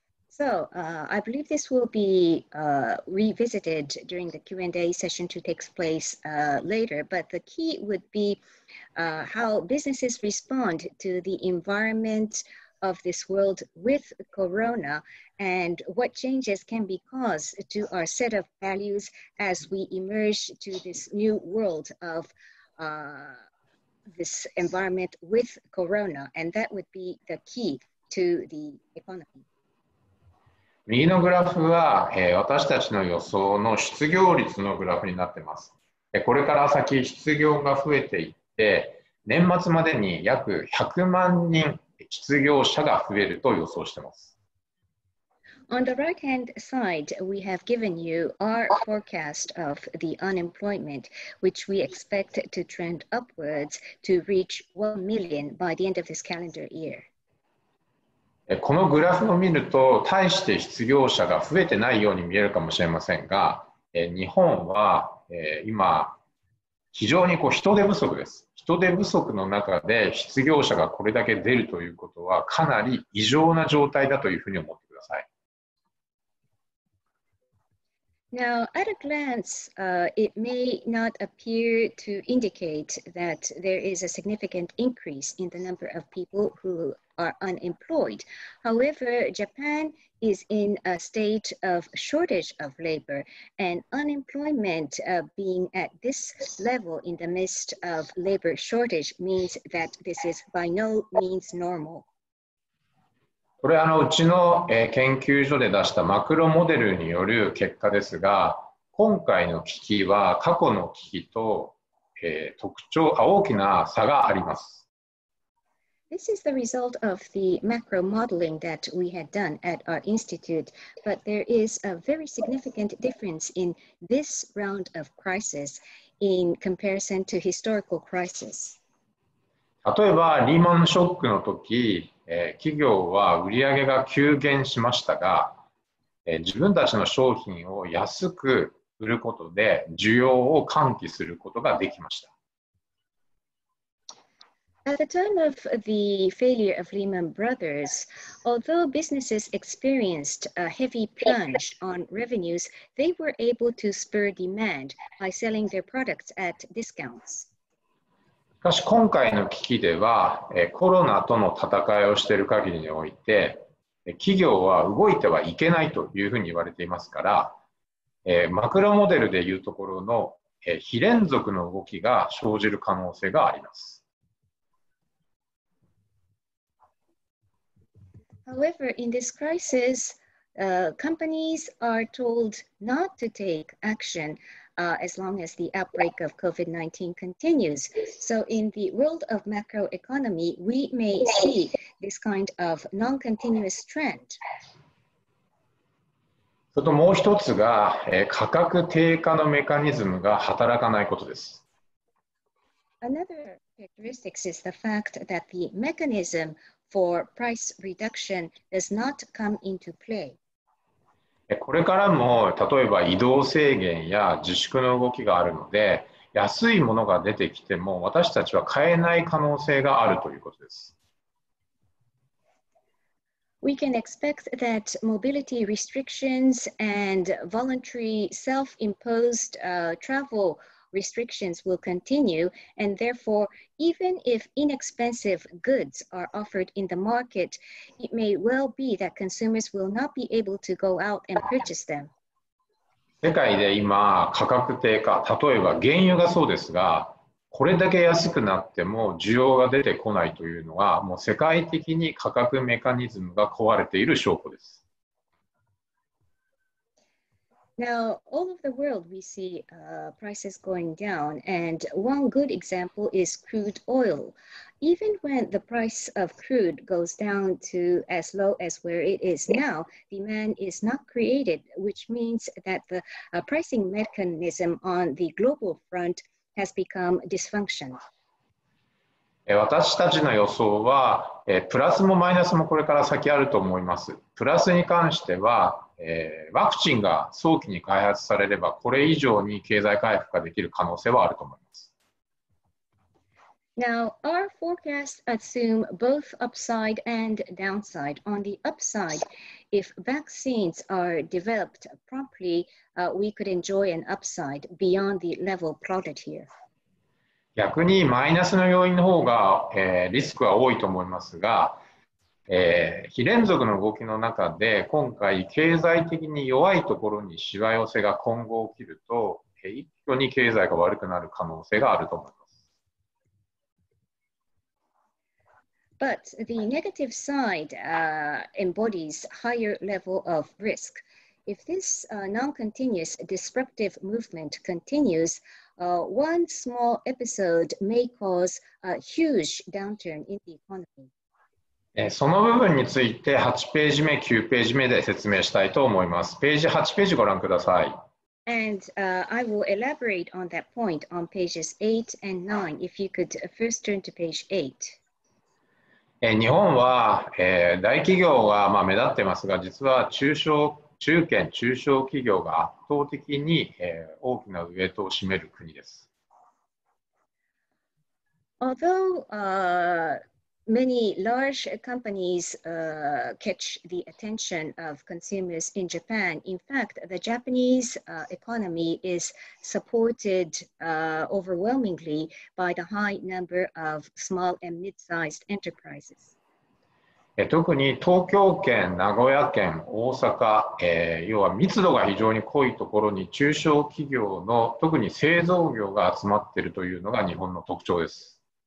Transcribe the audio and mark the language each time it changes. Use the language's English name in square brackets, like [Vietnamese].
[English] So, I believe this will be revisited during the Q&A session to take place later, but the key would be how businesses respond to the environment of this world with Corona and what changes can be caused to our set of values as we emerge to this new world of this environment with Corona, and that would be the key to the economy. [Japanese] 右のグラフは、私たちの予想の失業率のグラフになっています。これから先失業が増えていって、年末までに約100万人失業者が増えると予想しています。 [English] On the right-hand side, we have given you our forecast of the unemployment, which we expect to trend upwards to reach 1 million by the end of this calendar year. [Japanese] このグラフを見ると、大して失業者が増えてないように見えるかもしれませんが、日本は今、非常にこう人手不足です。人手不足の中で失業者がこれだけ出るということは、かなり異常な状態だというふうに思ってください。 [English] Now, at a glance, it may not appear to indicate that there is a significant increase in the number of people who are unemployed. However, Japan is in a state of shortage of labor, and unemployment being at this level in the midst of labor shortage means that this is by no means normal. [Japanese] これはうちの研究所で出したマクロモデルによる結果ですが、今回の危機は過去の危機と大きな差があります。 [English] This is the result of the macro modeling that we had done at our institute, but there is a very significant difference in this round of crisis in comparison to historical crisis. [Japanese] 例えばリーマンショックの時、企業は売上が急減しましたが、自分たちの商品を安く売ることで需要を喚起することができました。 [English] At the time of the failure of Lehman Brothers, although businesses experienced a heavy plunge on revenues, they were able to spur demand by selling their products at discounts. [Japanese] しかし今回の危機では、コロナとの戦いをしている限りにおいて、企業は動いてはいけないというふうに言われていますから、マクロモデルでいうところの、非連続の動きが生じる可能性があります。 [English] However, in this crisis, companies are told not to take action. As long as the outbreak of COVID-19 continues. So in the world of macroeconomy, we may see this kind of non-continuous trend. [Japanese] それともう一つが、価格低下のメカニズムが働かないことです。 [English] Another characteristic is the fact that the mechanism for price reduction does not come into play. [Japanese] これからも例えば移動制限や自粛の動きがあるので、安いものが出てきても私たちは買えない可能性があるということです。 [English] We can expect that mobility restrictions and voluntary self-imposed travel restrictions will continue, and therefore, even if inexpensive goods are offered in the market, it may well be that consumers will not be able to go out and purchase them. [Japanese] 世界で今、価格低下、例えば原油がそうですが、これだけ安くなっても需要が出てこないというのは、もう世界的に価格メカニズムが壊れている証拠です。 [English] Now, all over the world, we see prices going down, and one good example is crude oil. Even when the price of crude goes down to as low as where it is now, demand is not created, which means that the pricing mechanism on the global front has become dysfunctional. [Japanese] 私たちの予想は、プラスもマイナスもこれから先あると思います。プラスに関しては、ワクチンが早期に開発されれば、これ以上に経済回復ができる可能性はあると思います。 [English] Now, our forecasts assume both upside and downside. On the upside, if vaccines are developed properly, we could enjoy an upside beyond the level plotted here. [Japanese] 逆にマイナスの要因の方が、リスクは多いと思いますが、非連続の動きの中で今回経済的に弱いところにしわ寄せが今後起きると一挙に経済が悪くなる可能性があると思います。 [English] But the negative side embodies higher level of risk. If this non-continuous disruptive movement continues, one small episode may cause a huge downturn in the economy. [Japanese] その部分について8ページ目、9ページ目で説明したいと思います。ページ8ページご覧ください。 [English] And I will elaborate on that point on pages 8 and 9. If you could first turn to page 8. [Japanese] 日本は、大企業が、まあ、目立ってますが、実は中堅中小企業が圧倒的に、大きなウエイトを占める国です。 [English] Although many large companies catch the attention of consumers in Japan, in fact, the Japanese economy is supported overwhelmingly by the high number of small and mid-sized enterprises. [Japanese] 特に東京圏、名古屋圏、大阪、要は密度が非常に濃いところに中小企業の特に製造業が集まっているというのが日本の特徴です。